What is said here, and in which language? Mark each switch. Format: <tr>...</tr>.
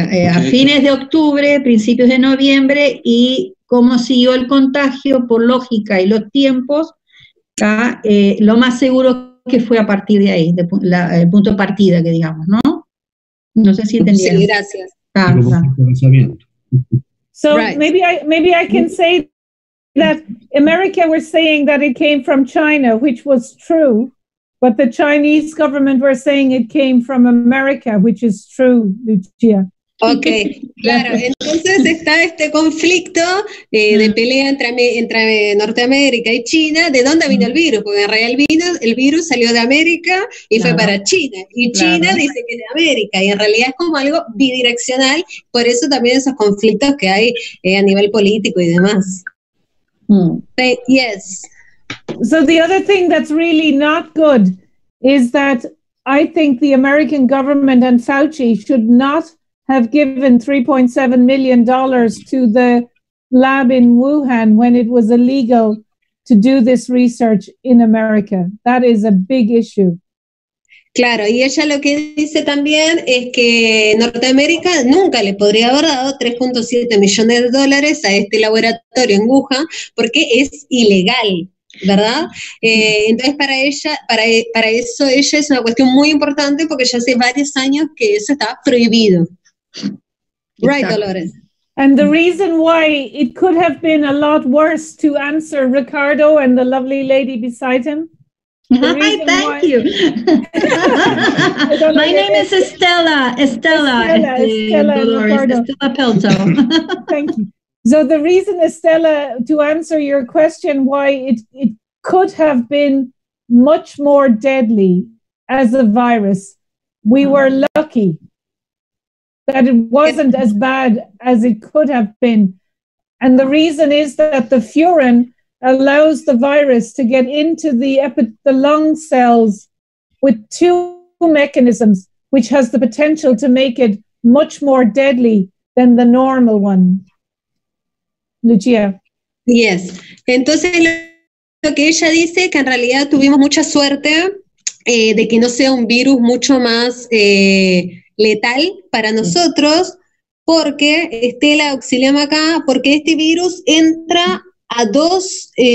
<es>A fines de octubre, principios de noviembre, y cómo siguió el contagio por lógica y los tiempos, ¿tá? Lo más seguro que fue a partir de ahí, el punto de partida, que digamos, ¿no? No sé si entendieron. Sí, gracias.</es> <en>So maybe I can say that America were saying that it came from China, which was true. But the Chinese government were saying it came from America, which is true, Lucia.</en> <es>Okay, claro. Entonces está este conflicto de pelea entre Norteamérica y China. ¿De dónde vino el virus? Porque en realidad el virus salió de América y claro, fue para China. Y China claro, dice que es de América. Y en realidad es como algo bidireccional. Por eso también esos conflictos que hay a nivel político y demás.</es> <en>Yes. So the other thing that's really not good is that I think the American government and Fauci should not have given $3.7 million to the lab in Wuhan when it was illegal to do this research in America. That is a big issue.</en> <es>Claro, y ella lo que dice también es que Norteamérica nunca le podría haber dado 3.7 millones de dólares a este laboratorio en Wuhan porque es ilegal, ¿verdad? Entonces para ella, para eso ella es una cuestión muy importante porque ya hace varios años que eso estaba prohibido.</es> <en>Exacto. Right, Dolores. And the reason why it could have been a lot worse to answer Ricardo and the lovely lady beside him. Hi, thank you. My name is Estela Dolores, Ricardo. Estela Pelto. Thank you. So the reason, Estela, to answer your question, why it could have been much more deadly as a virus, we were lucky that it wasn't as bad as it could have been. And the reason is that the furin allows the virus to get into the lung cells with two mechanisms, which has the potential to make it much more deadly than the normal one. Lucia. Yes.</en> <es>Entonces, lo que ella dice es que en realidad tuvimos mucha suerte de que no sea un virus mucho más letal para nosotros, porque Estela, auxiliame acá, porque este virus entra a dos</es>